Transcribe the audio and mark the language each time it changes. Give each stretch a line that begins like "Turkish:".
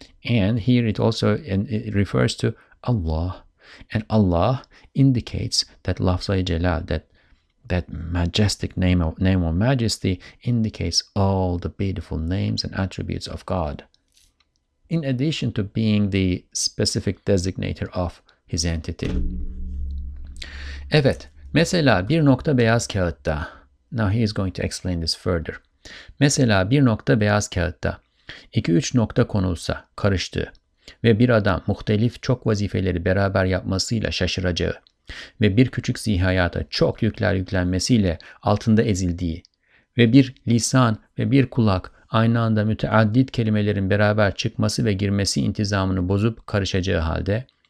English: And here it also it refers to Allah. And Allah indicates that Lafzai Jalal, that That majestic name of majesty indicates all the beautiful names and attributes of God, in addition to being the specific designator of his entity.
Turkish: Evet, mesela bir nokta beyaz kağıtta.
English: Now he is going to explain this further.
Turkish: Mesela bir nokta beyaz kağıtta. 2-3 nokta konulsa, karıştığı ve bir adam muhtelif çok vazifeleri beraber yapmasıyla şaşıracağı ve bir küçük zihayata çok yükler yüklenmesiyle altında ezildiği ve bir lisan ve bir kulak aynı anda müteaddit kelimelerin beraber çıkması ve girmesi intizamını bozup karışacağı halde